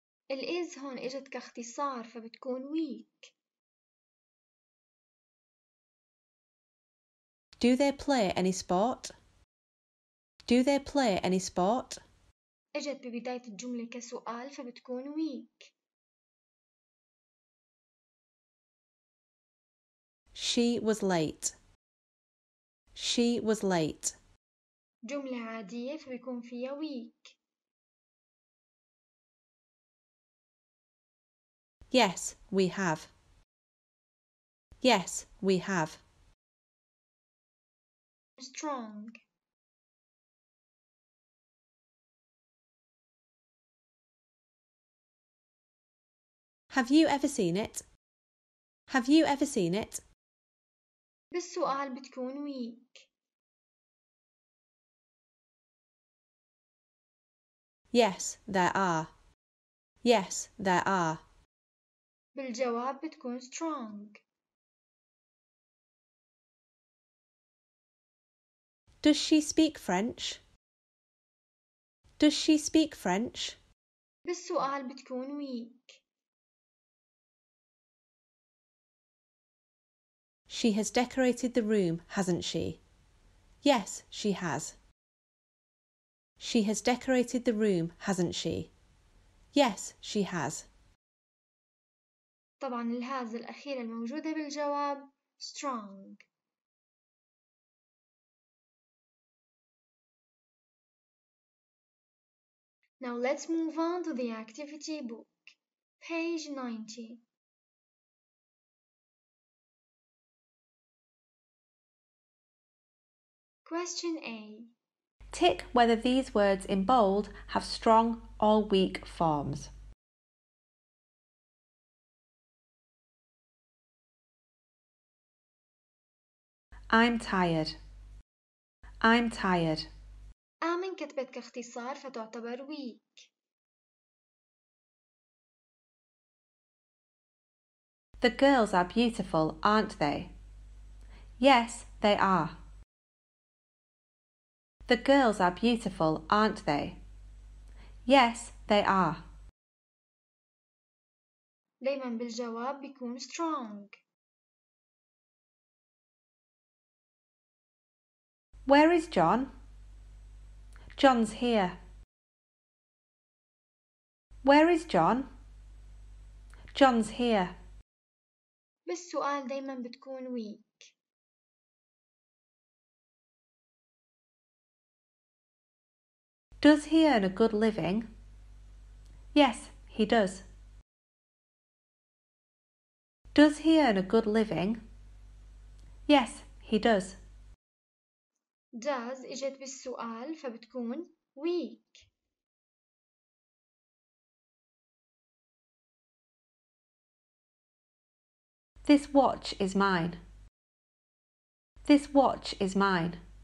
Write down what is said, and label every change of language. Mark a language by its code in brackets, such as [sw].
[ar] الـ is هون اجت كاختصار فبتكون weak. [en] Do they play any sport? Do they play any sport? [ar] اجت ببداية الجملة كسؤال فبتكون weak. [en] She was late. She was late. [ar] جملة عادية فبيكون فيها weak. [en] Yes, we have. Yes, we have. Strong. Have you ever seen it? Have you ever seen it? [ar] بالسؤال بتكون weak. [en] Yes, there are. Yes, there are. [ar] بالجواب بتكون strong. [en] Does she speak French? Does she speak French? [ar] بالسؤال بتكون weak. [en] She has decorated the room, hasn't she? Yes, she has. She has decorated the room, hasn't she? Yes, she has. [ar] طبعاً الهاز الأخيرة الموجودة بالجواب strong. [en] Now let's move on to the activity book, page 90. Question A. Tick whether these words in bold have strong or weak forms. I'm tired. I'm tired. [ar] آمن كتبت كاختصار فتعتبر weak. [en] The girls are beautiful, aren't they? Yes, they are. The girls are beautiful, aren't they? Yes, they are. [ar] دايماً بالجواب بيكون strong. [en] Where is John? John's here. Where is John? John's here. [ar] بالسؤال دايماً بتكون weak. [en] Does he earn a good living? Yes, he does. Does he earn a good living? Yes, he does. [ar] Does اجت بالسؤال فبتكون weak. [en] This watch is mine. This watch is mine.